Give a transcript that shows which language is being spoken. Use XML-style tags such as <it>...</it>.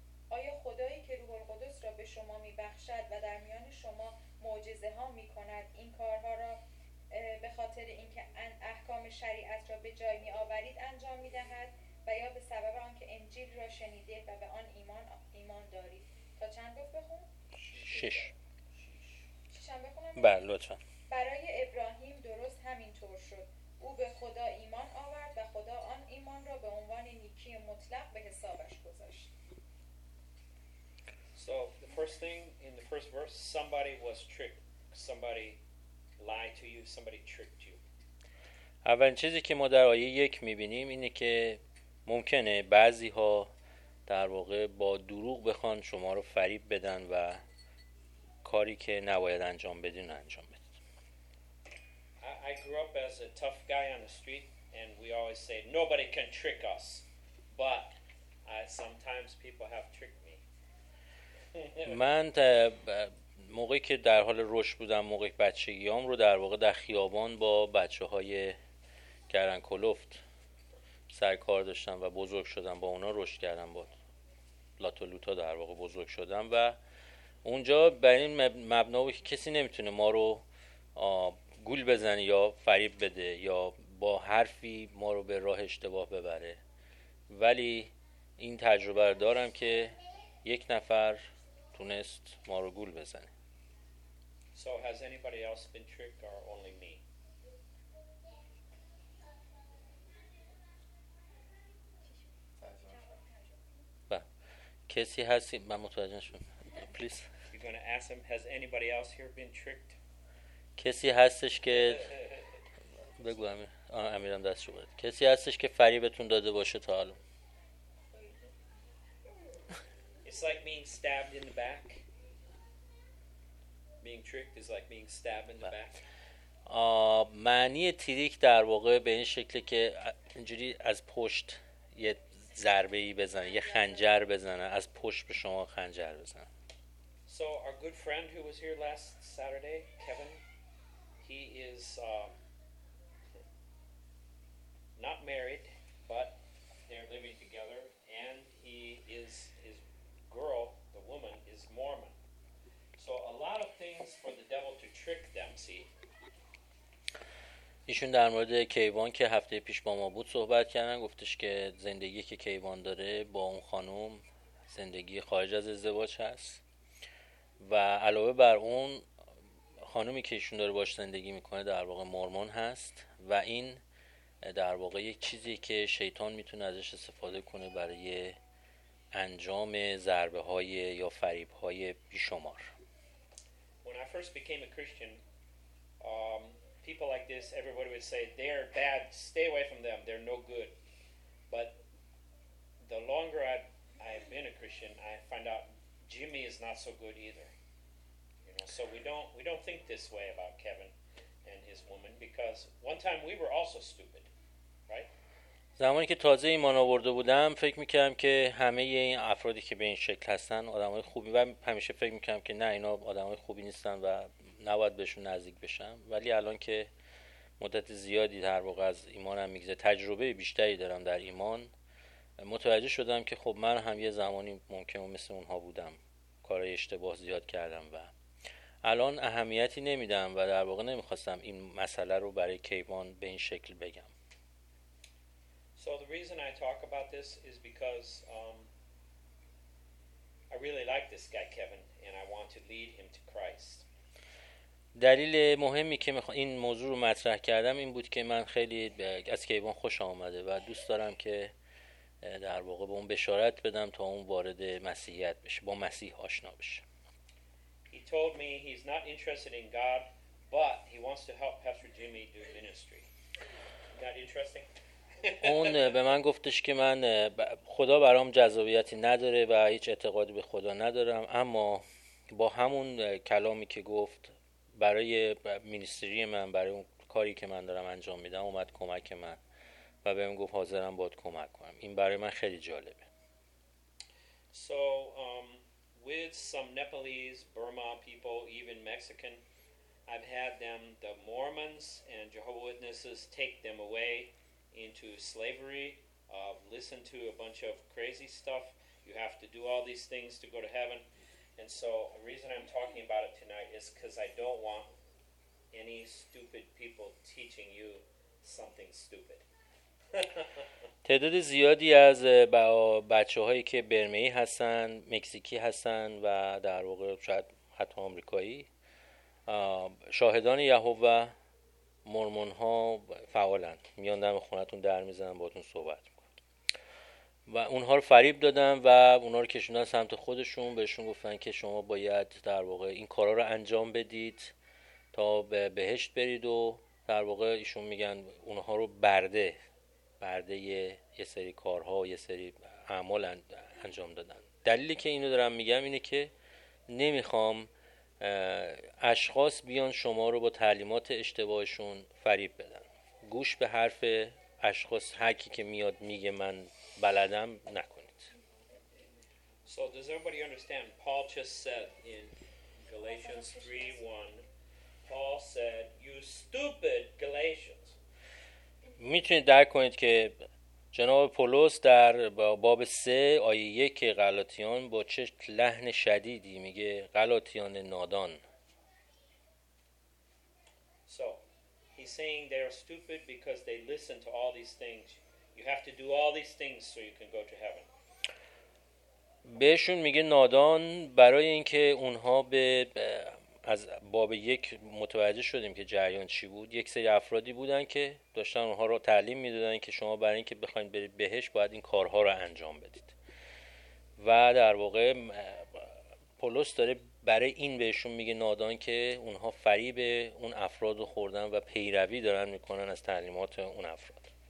<fa>آیا خدایی که روح القدس را به شما می بخشد و در میان شما معجزه ها می کند، این کارها را به خاطر اینکه احکام شریعت را به جای می آورید انجام می دهد و یا به سبب آنکه انجیل را شنیده و به آن ایمان دارید؟ تا چند گفت بخون؟ شش. چند بخونم؟ بله لطفا. برای ابراهیم درست همین طور شد. او به خدا ایمان آورد و خدا آن ایمان را به عنوان نیکی مطلق به حسابش گذاشت.</fa> <en>So the first thing in the first verse, somebody was tricked. Somebody lied to you. Somebody tricked you.</en> <fa>اولین چیزی که ما در آیه 1 می‌بینیم اینه که ممکنه بعضی‌ها در واقع با دروغ بخوان شما رو فریب بدن و کاری که نباید انجام بدین انجام.</fa> <en>I grew up as a tough guy on the street, and we always say nobody can trick us. But sometimes people have tricked me.</en> <fa>من موقعی که در حال رشد بودم، موقعی بچگیام رو در واقع در خیابان با بچه‌های گران کلوفت سر کار داشتم و بزرگ شدم با اونا، رشد کردم با لاتو لوتا در واقع بزرگ شدم و اونجا بر این مبنا بود که کسی نمیتونه ما رو گول بزنه یا فریب بده یا با حرفی ما رو به راه اشتباه ببره. ولی این تجربه رو دارم که یک نفر تونست ما رو گول بزنه.</fa> <en>So has anybody else been tricked or only me?</en> <fa>کسی هستی؟ من متوجه شدم.</fa> <en>Please. You're going to ask him, has anybody else here been tricked?</en> <fa>کسی هستش که بگو امیرم دست شو بود. کسی هستش که فریبتون داده باشه تا حالا؟</fa> <en>It's like being stabbed in the back. Being tricked is like being stabbed in the back.</en> <fa>معنی تریک در واقع به این شکلی که اینجوری از پشت یه ضربه‌ای بزنه، یه خنجر بزنه، از پشت به شما خنجر بزنه.</fa> <en>So our good friend who was here last Saturday, Kevin, he is not married, but they're living together, and his girl, the woman, is Mormon. So a lot of things for the devil to trick them, see.</en> <fa>ایشون در مورد کیوان که هفته پیش با ما بود صحبت کردن، گفتش که زندگی که کیوان داره با اون خانم زندگی خارج از ازدواج هست و علاوه بر اون خانومی که ایشون داره باش زندگی میکنه در واقع مورمون هست و این در واقع یک چیزی که شیطان میتونه ازش استفاده کنه برای انجام ضربه های یا فریب های بیشمار.</fa> <en>When I first became a Christian, people like this, everybody would say they're bad, stay away from them, they're no good. But the longer I've been a Christian, I find out Jimmy is not so good either. So we don't think this way about Kevin because one time we were also stupid, right?</en> <fa>زمانی که تازه ایمان آورده بودم فکر میکردم که همه این افرادی که به این شکل هستن آدم های خوبی و همیشه فکر میکردم که نه اینا آدم های خوبی نیستن و نباید بهشون نزدیک بشم ولی الان که مدت زیادی در واقع از ایمانم میگذره تجربه بیشتری دارم در ایمان متوجه شدم که خب من هم یه زمانی ممکنه مثل اونها بودم کارهای اشتباه زیاد کردم و الان اهمیتی نمیدم و در واقع نمیخواستم این مسئله رو برای کیوان به این شکل بگم.</fa> <en>So the reason I talk about this is because I really like this guy Kevin and I want to lead him to Christ.</en> <fa>دلیل مهمی که میخوام این موضوع رو مطرح کردم این بود که من خیلی از کیوان خوشم اومده و دوست دارم که در واقع به اون بشارت بدم تا اون وارد مسیحیت بشه، با مسیح آشنا بشه.</fa> <en>He told me he's not interested in God, but he wants to help Pastor Jimmy do ministry. Isn't that interesting?</en> <fa>اون به من گفتش که من خدا برام جذابیتی نداره و هیچ اعتقادی به خدا ندارم اما با همون کلامی که گفت برای مینیستری من برای اون کاری که من دارم انجام میدم اومد کمک من و به من گفت حاضرم باهات کمک کنم. این برای من خیلی جالبه.</fa> <en>So with some Nepalese, Burma people, even Mexican, I've had them, the Mormons and Jehovah Witnesses, take them away into slavery, listen to a bunch of crazy stuff. You have to do all these things to go to heaven. And so the reason I'm talking about it tonight is because I don't want any stupid people teaching you something stupid.</en> <fa>تعداد زیادی از بچه‌هایی که برمه‌ای هستن، مکزیکی هستن و در واقع شاید حتی آمریکایی، شاهدان یهوه مورمون ها فعالن، میان دم خونتون در میزنن باهاتون صحبت میکنن و اونها رو فریب دادن و اونها رو کشوندن سمت خودشون، بهشون گفتن که شما باید در واقع این کارا رو انجام بدید تا به بهشت برید و در واقع ایشون میگن اونها رو برده یه سری کارها یه سری اعمال انجام دادن. دلیلی که اینو دارم میگم اینه که نمیخوام اشخاص بیان شما رو با تعلیمات اشتباهشون فریب بدن. گوش به حرف اشخاص هرکی که میاد میگه من بلدم نکنید.</fa> <en>So does everybody understand? Paul just said in Galatians 3:1, Paul said, you stupid Galatians.</en> <fa>میتونید درک کنید که جناب پولس در باب 3 آیه 1 غلاطیان با چه لحن شدیدی میگه غلاطیان نادان.</fa> <en>So he's saying they are stupid because they listen to all these things. You have to do all these things so you can go to heaven.</en> <fa>بهشون میگه نادان برای اینکه اونها به از باب 1 متوجه شدیم که جریان چی بود. یک سری افرادی بودن که داشتن اونها رو تعلیم میدادن که شما برای اینکه بخواید برید بهش باید این کارها رو انجام بدید و در واقع پولس داره برای این بهشون میگه نادان که اونها فریب اون افراد رو خوردن و پیروی دارن میکنن از تعلیمات اون افراد.</fa>